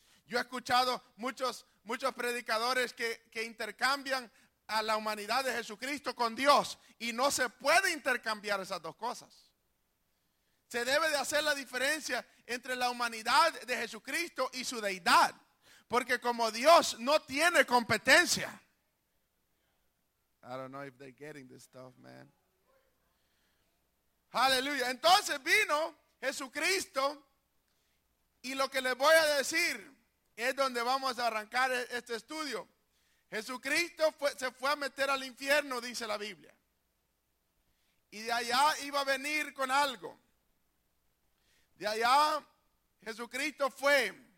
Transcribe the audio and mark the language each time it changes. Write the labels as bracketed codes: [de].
[es] Yo he escuchado muchos predicadores que intercambian a la humanidad de Jesucristo con Dios. Y no se puede intercambiar esas dos cosas. Se debe de hacer la diferencia entre la humanidad de Jesucristo y su deidad. Porque como Dios no tiene competencia. [en] I don't know if they're getting this stuff, man. Hallelujah. [es] Entonces vino Jesucristo. Y lo que les voy a decir es donde vamos a arrancar este estudio. Jesucristo se fue a meter al infierno, dice la Biblia. Y de allá iba a venir con algo. De allá Jesucristo fue.